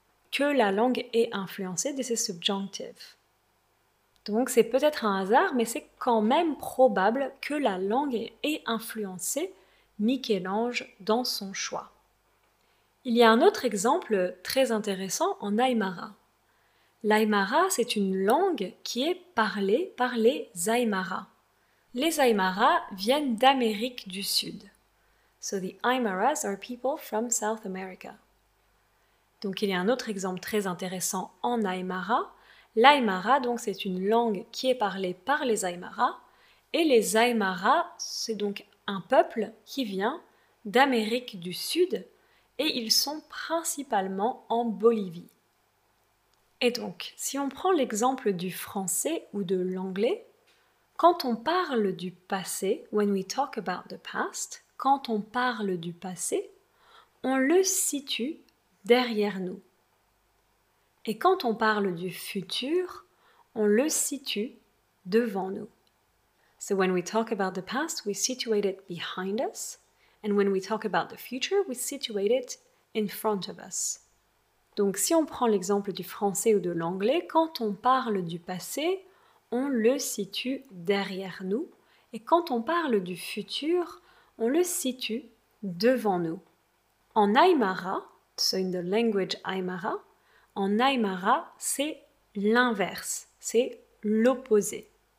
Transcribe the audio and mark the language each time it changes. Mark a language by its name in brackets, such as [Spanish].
[French] Que la langue ait influencé, [English] this is subjunctive. [French] Donc c'est peut-être un hasard, mais c'est quand même probable que la langue ait influencé Michel-Ange dans son choix. Il y a un autre exemple très intéressant en Aymara. L'Aymara, c'est une langue qui est parlée par les Aymara. Les Aymara viennent d'Amérique du Sud. [English] So the Aymaras are people from South America. [French] Donc il y a un autre exemple très intéressant en Aymara. L'Aymara, donc, c'est une langue qui est parlée par les Aymara. Et les Aymara, c'est donc un peuple qui vient d'Amérique du Sud et ils sont principalement en Bolivie. Et donc, si on prend l'exemple du français ou de l'anglais, quand on parle du passé, [English] when we talk about the past, [French] quand on parle du passé, on le situe derrière nous. Et quand on parle du futur, on le situe devant nous. [English] So when we talk about the past, we situate it behind us. And when we talk about the future, we situate it in front of us. [French] Donc si on prend l'exemple du français ou de l'anglais, quand on parle du passé, on le situe derrière nous. Et quand on parle du futur, on le situe devant nous. En Aymara, [English] so in the language Aymara, [French] en Aymara, c'est l'inverse, c'est l'opposé.